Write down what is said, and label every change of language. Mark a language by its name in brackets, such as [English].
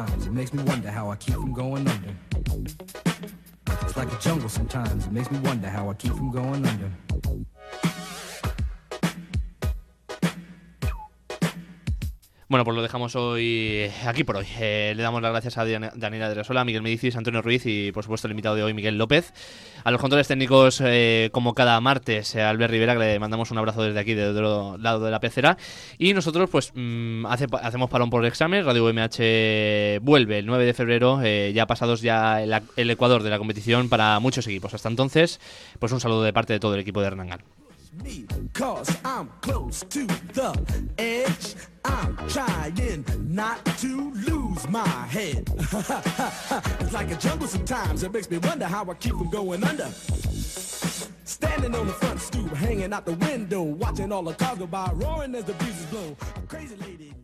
[English] Makes me wonder how I keep from going under. It's like a jungle sometimes. It makes me wonder how I keep from going under. [Spanish] Bueno, pues lo dejamos hoy aquí por hoy. Le damos las gracias a Daniela Dresola, a Miguel Medicis, Antonio Ruiz y, por supuesto, el invitado de hoy, Miguel López. A los controles técnicos, como cada martes, a Albert Rivera, que le mandamos un abrazo desde aquí, del otro lado de la pecera. Y nosotros, pues, hacemos parón por el examen. Radio UMH vuelve el 9 de febrero, ya pasados ya el Ecuador de la competición para muchos equipos. Hasta entonces, pues un saludo de parte de todo el equipo de Hernán Gal. [English] Me, 'cause I'm close to the edge. I'm trying not to lose my head. It's like a jungle sometimes. It makes me wonder how I keep from going under. Standing on the front stoop, hanging out the window, watching all the cars go by, roaring as the breezes blow. A crazy lady.